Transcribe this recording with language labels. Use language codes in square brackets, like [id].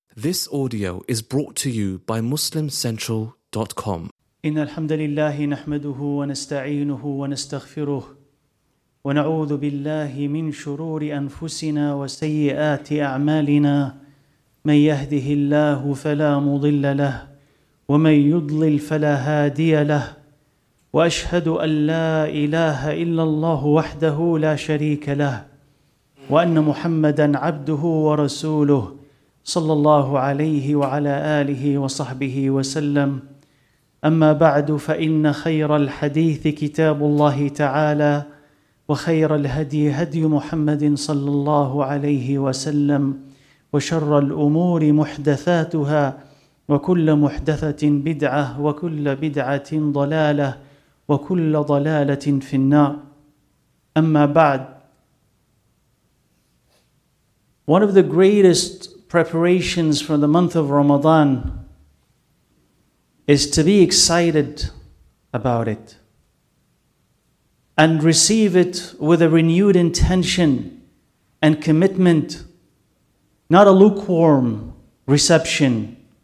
[en] This audio is brought to you by MuslimCentral.com. [ar] إن الحمد لله نحمده ونستعينه ونستغفره ونعوذ بالله من شرور أنفسنا وسيئات أعمالنا من يهده الله فلا مضل له ومن يضلل فلا هادي له وأشهد أن لا إله إلا الله وحده لا شريك له وأن محمدًا عبده ورسوله صلى الله عليه وعلى آله وصحبه وسلم أما بعد فإن خير الحديث كتاب الله تعالى وخير الهدي هدي محمد صلى الله عليه وسلم وشر الأمور محدثاتها وكل محدثة بدعة وكل بدعة ضلالة وكل ضلالة في النار أما بعد. [en] One of the greatest preparations for the month of Ramadan is to be excited about it and receive it with a renewed intention and commitment, not a lukewarm reception.